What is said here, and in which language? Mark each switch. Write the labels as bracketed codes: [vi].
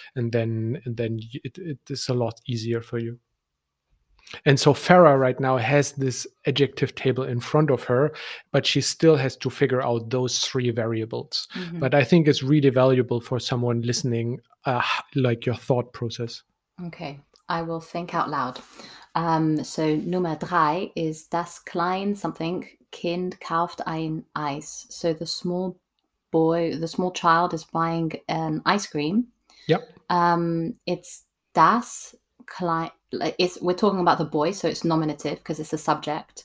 [en] And then it is a lot easier for you. And so Farah right now has this adjective table in front of her, but she still has to figure out those three variables. Mm-hmm. But I think it's really valuable for someone listening, like your thought process. Okay, I will think out loud. So number three is [de] das klein something Kind kauft ein Eis. [en] So the small child is buying an ice cream. Yep. It's das klein. We're talking about the boy, so it's nominative because it's a subject.